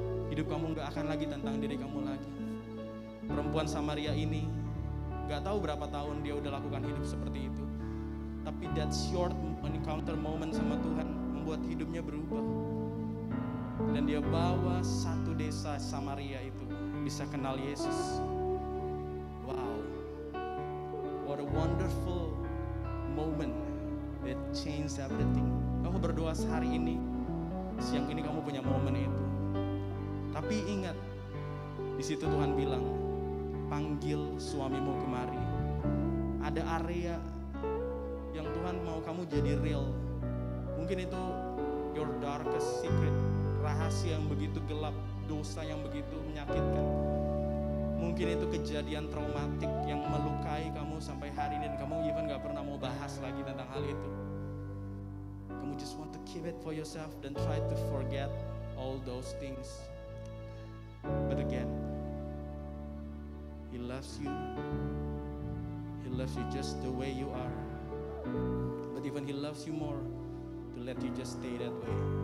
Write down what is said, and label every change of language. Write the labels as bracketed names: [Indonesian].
[Indonesian] Hidup kamu gak akan lagi tentang diri kamu lagi. Perempuan Samaria ini gak tahu berapa tahun dia udah lakukan hidup seperti itu, tapi [English] that short encounter moment [Indonesian] sama Tuhan membuat hidupnya berubah. Dan dia bawa satu desa Samaria itu bisa kenal Yesus. [English] Wow, what a wonderful moment that changed everything. [Indonesian] Kamu berdoa sehari ini, siang ini kamu punya momen itu. Tapi ingat, di situ Tuhan bilang, panggil suamimu kemari. Ada area yang Tuhan mau kamu jadi real. Mungkin itu [English] your darkest secret, [Indonesian] rahasia yang begitu gelap, dosa yang begitu menyakitkan. Mungkin itu kejadian traumatik yang melukai kamu sampai hari ini, dan kamu even gak pernah mau bahas lagi tentang hal itu. [English] Kamu just want to keep it for yourself, then try to forget all those things. But again, He loves you. He loves you just the way you are. But even He loves you more to let you just stay that way.